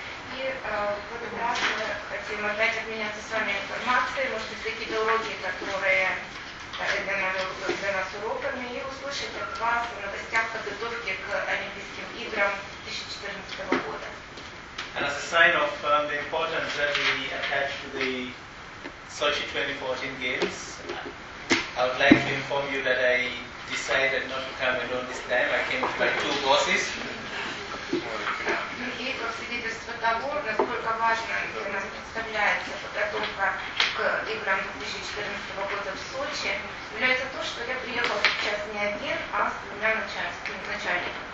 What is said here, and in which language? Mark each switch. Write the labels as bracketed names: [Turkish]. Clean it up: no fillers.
[Russian] И в этот раз мы хотим опять обменяться с вами информацией, может быть, какие-то уроки, которые для нас уроками, и услышать от вас о новостях подготовки к Олимпийским играм 2014 года. [English] And as a sign of the importance that we attach to the Sochi 2014 Games, I would like to inform you that I decided not to come alone this time. I came with my two bosses. [Russian] И как свидетельство того, насколько важно для нас представляется подготовка к играм 2014 года в Сочи, является то, что я приехал сейчас не один, а с двумя начальниками.